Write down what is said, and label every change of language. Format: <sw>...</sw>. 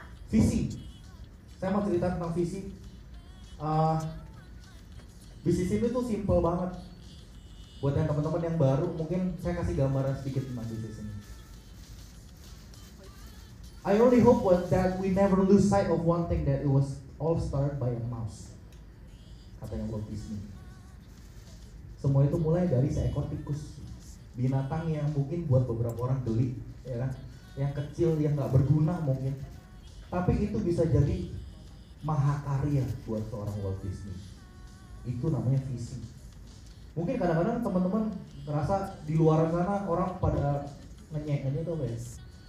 <id>Visi. Saya mau cerita tentang visi. Bisnis ini tuh simpel banget. Buat yang teman-teman yang baru, mungkin saya kasih gambaran sedikit tentang bisnis ini.</id> <en>I only hope was that we never lose sight of one thing, that it was all started by a mouse.</en> <id>Katanya Walt Disney. Semua itu mulai dari seekor tikus. Binatang yang mungkin buat beberapa orang geli, ya kan? Yang kecil, yang gak berguna mungkin. Tapi itu bisa jadi mahakarya buat seorang Walt Disney. Itu namanya visi. Mungkin kadang-kadang teman-teman ngerasa di luar sana orang pada ngenyek-ngenyek tuh guys.</id>